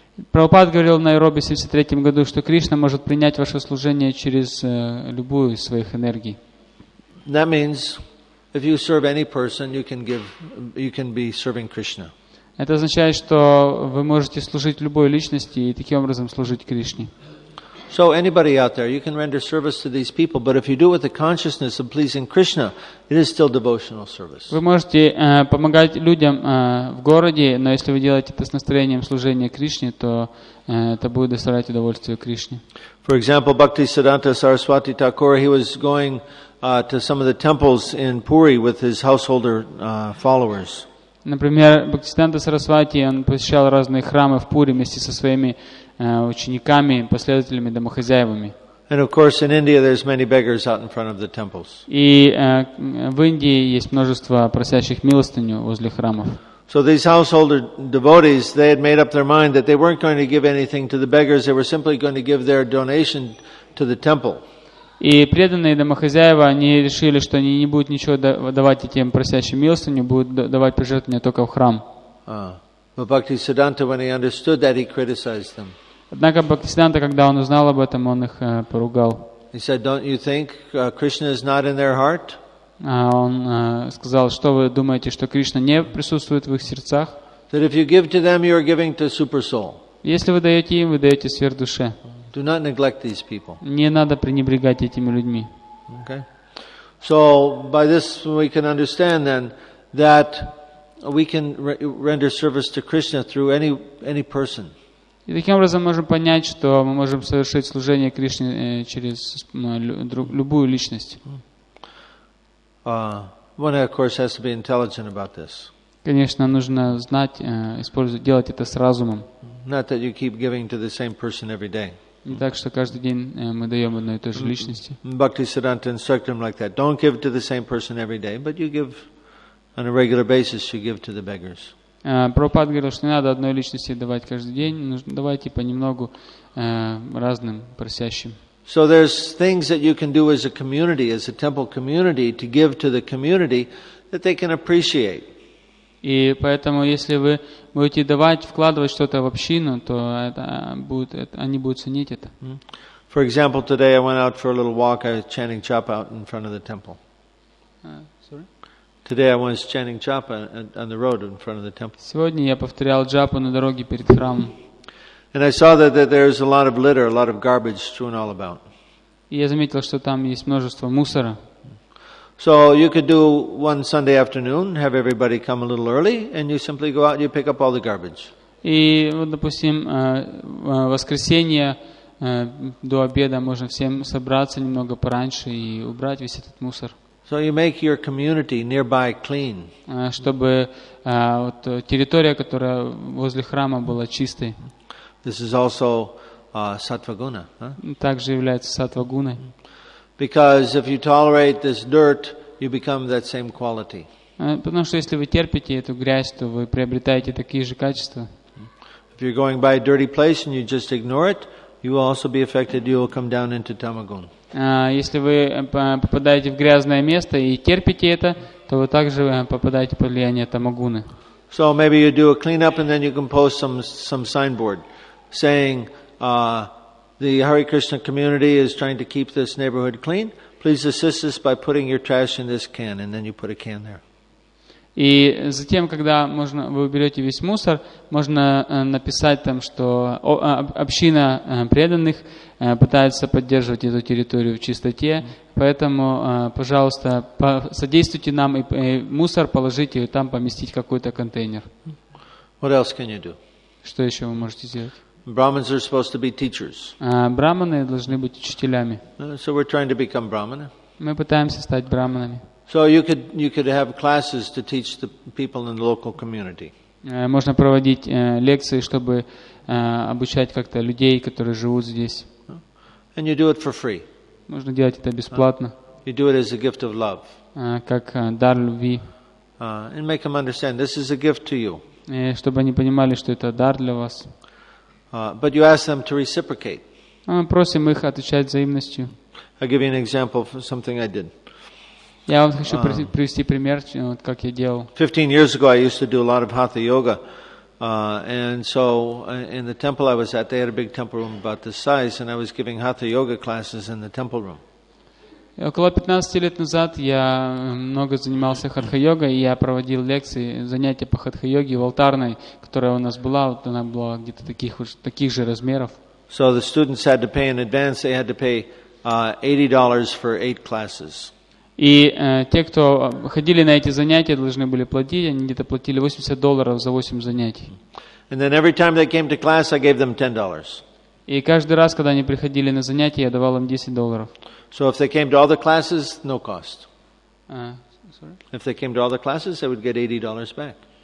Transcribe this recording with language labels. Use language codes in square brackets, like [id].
[ru] Прабхупад говорил в Найроби в 73 году, что Кришна может принять ваше служение через любую из своих энергий. [en] That means if you serve any person, you can be serving Krishna. [ru] Это означает, что вы можете служить любой личности и таким образом служить Кришне. [en] So anybody out there, you can render service to these people, but if you do it with the consciousness of pleasing Krishna, it is still devotional service. [ru] Вы можете помогать людям в городе, но если вы делаете это с настроением служения Кришне, то это будет доставлять удовольствие Кришне. [en] For example, Bhaktisiddhanta Saraswati Thakur, he was going to some of the temples in Puri with his householder followers. [ru] Например, Бхактисиддханта Сарасвати, он посещал разные храмы в Пури вместе со своими учениками, последователями, домохозяевами. [en] And of course, in India, there's many beggars out in front of the temples. [ru] И в Индии есть множество просящих милостыню возле храмов. [en] So these householder devotees, they had made up their mind that they weren't going to give anything to the beggars. They were simply going to give their donation to the temple. [ru] И преданные домохозяева, они решили, что они не будут ничего давать этим просящим милостыню, будут давать пожертвования только в храм. [en] But Bhaktisiddhanta, when he understood that, he criticized them. [ru] Однако Бхактисиддханта, когда он узнал об этом, он их поругал. [en] He said, "Don't you think Krishna is not in their heart?" [ru] Он сказал, что вы думаете, что Кришна не присутствует в их сердцах? [en] That if you give to them, you are giving to super soul. [ru] Если вы даете им, вы даете сверхдуше. [en] Do not neglect these people. [ru] Не надо пренебрегать этими людьми. [en] Okay. So by this we can understand then that we can render service to Krishna through any person. [ru] И таким образом можем понять, что мы можем совершить служение Кришне через любую личность. [en] One, of course, has to be intelligent about this. [ru] Конечно, нужно знать, использовать, делать это с разумом. [en] Not that you keep giving to the same person every day. [ru] Не так, что каждый день мы даем одной и той же личности. [en] Bhaktisiddhanta instructed him like that. Don't give to the same person every day, but you give on a regular basis. You give to the beggars. [ru] Прабхупад говорил, что не надо одной личности давать каждый день, нужно давать понемногу разным просящим. [en] So there's things that you can do as a community, as a temple community, to give to the community that they can appreciate. [ru] И поэтому, если вы будете давать, вкладывать что-то в общину, то они будут ценить это. [en] For example, today I went out for a little walk, chanting japa out in front of the temple. Today I was chanting japa on the road in front of the temple. [ru] Сегодня я повторял джапу на дороге перед храмом. [en] And I saw that there's a lot of litter, a lot of garbage strewn all about. [ru] И я заметил, что там есть множество мусора. [en] So you could do one Sunday afternoon, have everybody come a little early, and you simply go out and you pick up all the garbage. [ru] И вот, допустим, в воскресенье до обеда можно всем собраться немного пораньше и убрать весь этот мусор. [en] So you make your community nearby clean. [ru] Чтобы вот территория, которая возле храма, была чистой. [en] This is also сатвагуна. [ru] Также является сатвагуной. [en] Because if you tolerate this dirt, you become that same quality. [ru] Потому что если вы терпите эту грязь, то вы приобретаете такие же качества. [en] If you're going by a dirty place and you just ignore it, you will also be affected. You will come down into tamagun. [ru] Если вы попадаете в грязное место и терпите это, то вы также попадаете под влияние тамагуны. [en] So maybe you do a clean up and then you can post some signboard saying the Hare Krishna community is trying to keep this neighborhood clean. Please assist us by putting your trash in this can, and then you put a can there. [ru] И затем, когда можно, вы уберете весь мусор, можно написать там, что община преданных пытается поддерживать эту территорию в чистоте, поэтому, пожалуйста, содействуйте нам и мусор положите и там поместить какой-то контейнер. [en] What else can you do? [ru] Что еще вы можете сделать? [en] Brahmins are supposed to be teachers. [ru] Браманы должны быть учителями. [en] So we're trying to become brahmana. [ru] Мы пытаемся стать браманами. [en] So you could have classes to teach the people in the local community. [ru] Можно проводить лекции, чтобы обучать как-то людей, которые живут здесь. [en] And you do it for free. [ru] Можно делать это бесплатно. [en] You do it as a gift of love. [ru] Как дар любви. [en] And make them understand this is a gift to you. [ru] Чтобы они понимали, что это дар для вас. [en] But you ask them to reciprocate. [ru] Мы просим их отвечать взаимностью. [en] I'll give you an example of something I did. [ru] Я вам хочу привести пример, вот как я делал. [en] 15 years ago, I used to do a lot of hatha yoga, and so in the temple I was at, they had a big temple room about this size, and I was giving hatha yoga classes in the temple room. [ru] Около 15 лет назад я много занимался хатха йогой, и я проводил лекции, занятия по хатха йоге в алтарной, которая у нас была, вот она была где-то таких же размеров. [en] So the students had to pay in advance. They had to pay $80 for 8 classes. [ru] И те, кто ходили на эти занятия, должны были платить. Они где-то платили $80 за 8 занятий. [en] And then every time they came to class, I gave them $10. [ru] И каждый раз, когда они приходили на занятия, я давал им $10. [en] So if they came to all the classes, no cost. If they came to all the classes, they would get $80 back.